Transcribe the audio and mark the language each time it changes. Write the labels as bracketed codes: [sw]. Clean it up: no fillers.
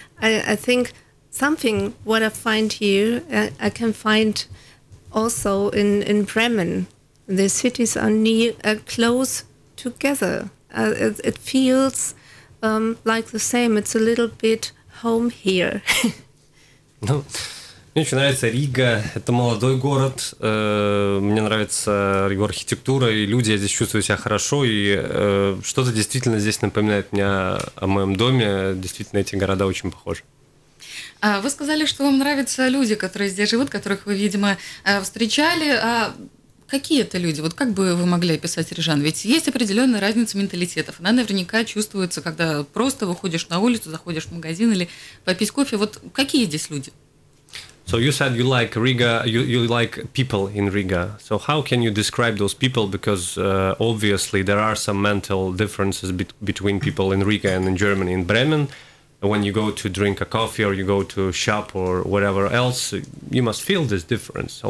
[en] I think something what I find here, I can find also in Bremen. The cities are near, close together. It feels. Like the same, it's a little bit home here. [ru] Ну, мне очень нравится Рига, это молодой город. Мне нравится его архитектура и люди, я здесь чувствую себя хорошо. И что-то действительно здесь напоминает мне о моем доме. Действительно, эти города очень похожи. Вы сказали, что вам нравятся люди, которые здесь живут, которых вы, видимо, встречали. А какие это люди? Вот как бы вы могли описать рижан? Ведь есть определенная разница менталитетов. Она наверняка чувствуется, когда просто выходишь на улицу, заходишь в магазин или попить кофе. Вот какие здесь люди? [en] So you said you like Riga, you like people in Riga. So how can you describe those people? Because obviously there are some mental differences between people in Riga and in Germany. In Bremen, when you go to drink a coffee or you go to a shop or whatever else, you must feel this difference.